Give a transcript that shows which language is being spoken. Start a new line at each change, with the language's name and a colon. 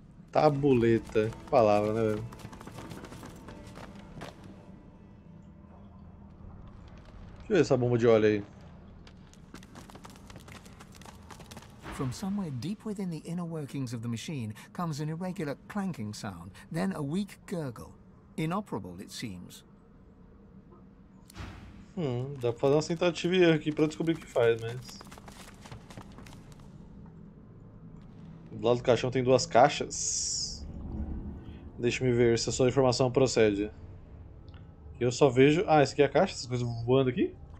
Portuguese: Tabuleta. Que palavra, né, velho? Deixa eu ver essa bomba de óleo aí.
English: From somewhere deep within the inner workings of the machine comes an irregular clanking sound, then a weak gurgle. Inoperable, it seems.
Portuguese: Dá pra fazer uma tentativa aqui pra descobrir o que faz, mas. Do lado do caixão tem duas caixas. Deixa-me ver se a sua informação procede. Eu só vejo... Ah, essa aqui é a caixa? Essas coisas voando aqui?